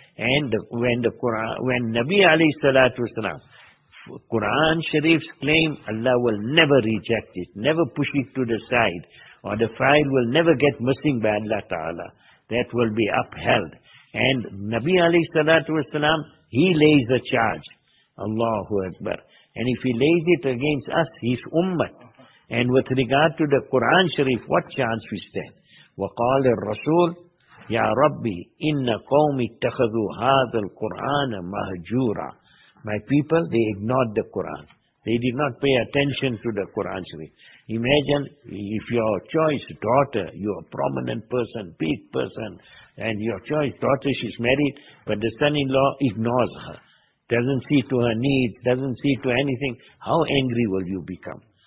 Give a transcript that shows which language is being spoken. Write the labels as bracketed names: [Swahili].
[English] And when Nabi alayhi salatu wasalam, Quran Sharif's claim, Allah will never reject it, never push it to the side, or the file will never get missing by Allah Ta'ala. That will be upheld. And Nabi alayhi salatu wasalam, he lays the charge. Allahu Akbar. And if he lays it against us, his ummah. And with regard to the Quran Sharif, what chance we stand? [Arabic] وقال الرسول يا ربي إن قومي اتخذوا هذا القرآن مهجورا. [English] My people, they ignored the Quran. They did not pay attention to the Quran Sharif. Imagine if your choice daughter, you're a prominent person, big person, and your choice daughter, she's married, but the son-in-law ignores her, doesn't see to her needs, doesn't see to anything, how angry will you become?